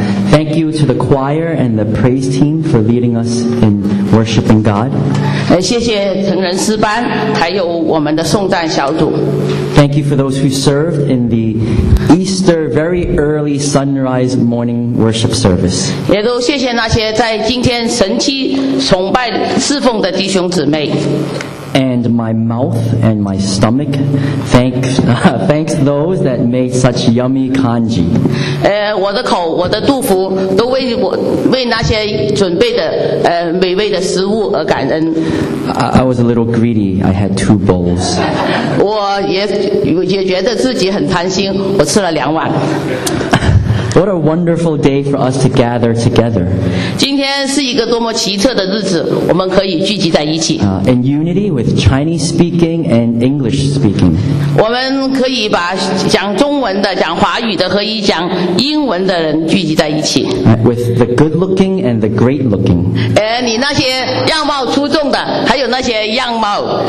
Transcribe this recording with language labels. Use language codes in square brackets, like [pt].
[en] Thank you to the choir and the praise team for leading us in worshiping God. [zh] 谢谢成人诗班还有我们的颂赞小组 [en] Thank you for those who served in the Easter very early sunrise morning worship service. [zh] 也都谢谢那些在今天神期崇拜侍奉的弟兄姊妹。 [en] And my mouth and my stomach, thanks those that made such yummy kanji. [zh] 我的口我的肚腹都为我为那些准备的美味的食物而感恩。 [en] I was a little greedy. I had two bowls. [zh] 我也觉得自己很贪心，我吃了两碗。 [en] What a wonderful day for us to gather together. [zh] 今天是一个多么奇特的日子，我们可以聚集在一起。 [en] In unity with Chinese speaking and English speaking. [zh] 我们可以把讲中文的、讲华语的和讲英文的人聚集在一起。 [en] With the good looking and the great looking. [zh] 你那些样貌出众的，还有那些样貌。